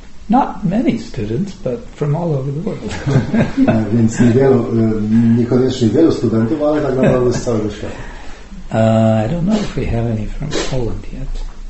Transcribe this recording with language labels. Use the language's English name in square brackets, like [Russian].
[English] Not many students, but from all over the world. [Polish] Więc niekoniecznie wielu studentów, ale tak naprawdę z całego świata. [English] I don't know if we have any from Poland yet.